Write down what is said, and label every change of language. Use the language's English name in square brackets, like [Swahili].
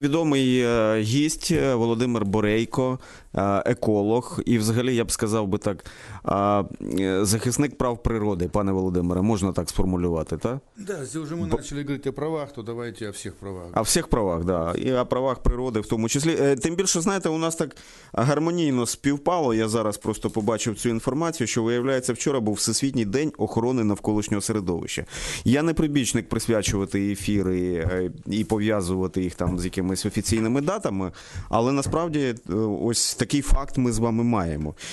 [Ukrainian] Відомий гість Володимир Борейко, еколог, і взагалі я б сказав би так, захисник прав природи, пане Володимире, можна так сформулювати, так? [Russian] Да, если уже мы начали говорить о правах, то давайте о всех правах. [Ukrainian] О всіх правах, да, і о правах природи в тому числі. Тим більше, знаєте, у нас так гармонійно співпало. Я зараз просто побачив цю інформацію, що, виявляється, вчора був Всесвітній день охорони навколишнього середовища. Я не прибічник присвячувати ефіри і пов'язувати їх там з якимись офіційними датами, але насправді ось такий факт ми з вами маємо.